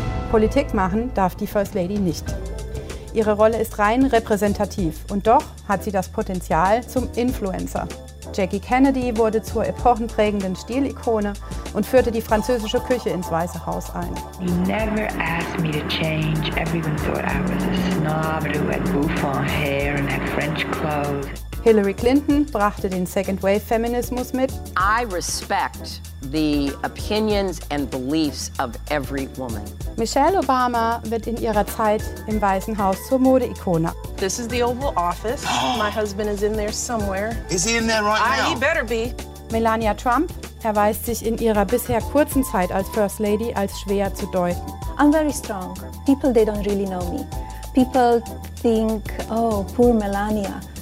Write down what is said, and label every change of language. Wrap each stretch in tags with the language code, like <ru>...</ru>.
<de>Politik machen darf die First Lady nicht. Ihre Rolle ist rein repräsentativ und doch hat sie das Potenzial zum Influencer. Jackie Kennedy wurde zur epochenprägenden Stilikone und führte die französische Küche ins Weiße Haus ein.</de> <en>You never asked me to change. Everyone thought I was a snob who had bouffant hair and had French clothes.</en> <de>Hillary Clinton brachte den Second Wave Feminismus mit.</de> <en>I respect the opinions and beliefs of every woman.</en> <de>Michelle Obama wird in ihrer Zeit im Weißen Haus zur Modeikone.</de> <en>This is the Oval Office. My husband is in there somewhere. Is he in there right now? He better be.</en> <de>Melania Trump erweist sich in ihrer bisher kurzen Zeit als First Lady als schwer zu deuten.</de> <en>I'm very strong. People, they don't really know me. People think, oh, poor Melania.</en>